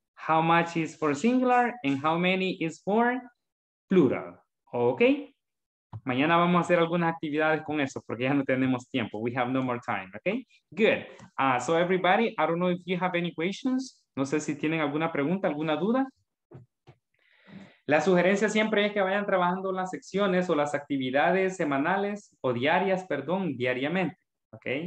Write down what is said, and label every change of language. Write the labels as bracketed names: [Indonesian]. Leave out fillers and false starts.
[English] How much is for singular and how many is for plural? Okay? [Spanish] Mañana vamos a hacer algunas actividades con eso porque ya no tenemos tiempo. [English] We have no more time, okay? Good. So, everybody, I don't know if you have any questions. [Spanish] No sé si tienen alguna pregunta, alguna duda. La sugerencia siempre es que vayan trabajando las secciones o las actividades semanales o diarias, perdón, diariamente, ¿ok?